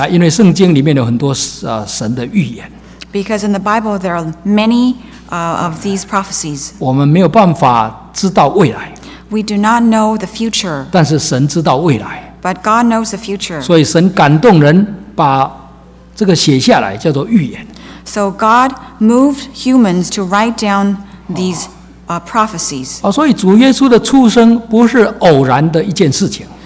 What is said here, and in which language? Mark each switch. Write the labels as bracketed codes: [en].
[zh] 因为圣经里面有很多神的预言。 [en] Because in the Bible there are many of these prophecies. [zh] 我们没有办法知道未来。 [en] We do not know the future. [zh] 但是神知道未来。 [en] But God knows the future. [zh] 所以神感动人把这个写下来叫做预言。 [en] So God moved humans to write down these prophecies. [zh] 所以主耶稣的出生不是偶然的一件事情。